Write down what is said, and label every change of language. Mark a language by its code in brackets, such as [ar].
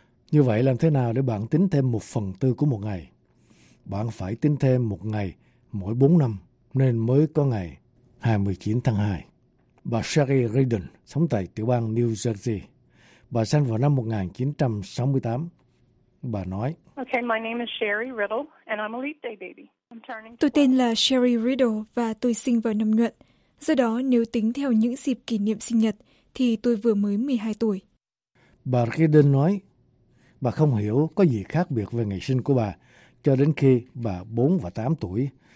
[vi] Như vậy làm thế nào để bạn tính thêm 1/4 của một ngày? Bạn phải tính thêm một ngày mỗi 4 năm nên mới có ngày 29 tháng 2. Bà Sherry Reardon sống tại tiểu bang New Jersey. Bà sinh vào năm 1968. Bà nói: [en] Okay, my name is Sherry Riddle and I'm a leap day baby. [vi] Tôi tên là Sherry Riddle và tôi sinh vào năm nhuận. Do đó nếu tính theo những dịp kỷ niệm sinh nhật thì tôi vừa mới 12 tuổi. Bà Riddle nói: Bà không hiểu có gì khác biệt về ngày sinh của bà cho đến khi bà 4 và 8 tuổi.